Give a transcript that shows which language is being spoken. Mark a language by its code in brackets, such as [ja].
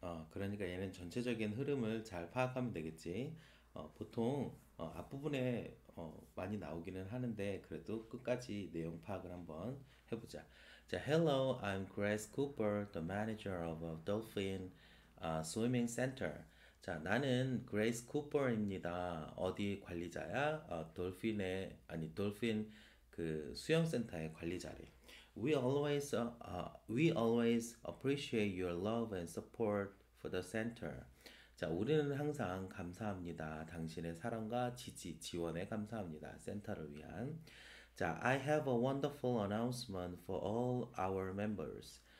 [ko] 그러니까 얘는 전체적인 흐름을 잘 파악하면 되겠지. 보통 앞부분에 많이 나오기는 하는데, 그래도 끝까지 내용 파악을 한번 해보자. [en] 자, Hello, I'm Grace Cooper, the manager of a dolphin swimming center. [ko] 자, 나는 Grace Cooper입니다. 어디 관리자야? Dolphin의 아니 돌핀 그 수영센터의 관리자래. [en] We always appreciate your love and support for the center. [ko] 자, 우리는 항상 감사합니다. 당신의 사랑과 지지, 지원에 감사합니다. 센터를 위한. [en] 자, I have a wonderful announcement for all our members.